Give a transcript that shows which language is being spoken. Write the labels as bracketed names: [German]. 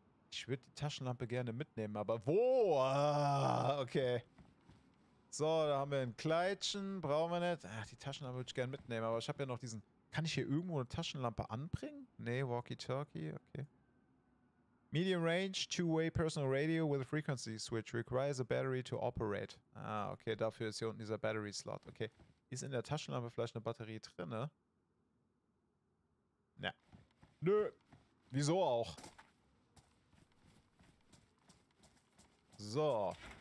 [German] Ich würde die Taschenlampe gerne mitnehmen, aber wo? Ah, okay. So, da haben wir ein Kleidchen. Brauchen wir nicht. Ach, die Taschenlampe würde ich gerne mitnehmen, aber ich habe ja noch diesen... Kann ich hier irgendwo eine Taschenlampe anbringen? Nee, walkie-talkie, okay. [English] Medium range, two-way personal radio with a frequency switch. Requires a battery to operate. [German] Ah, okay, dafür ist hier unten dieser Battery-Slot. Okay, ist in der Taschenlampe vielleicht eine Batterie drin, ne? Ja. Nö. Wieso auch? So.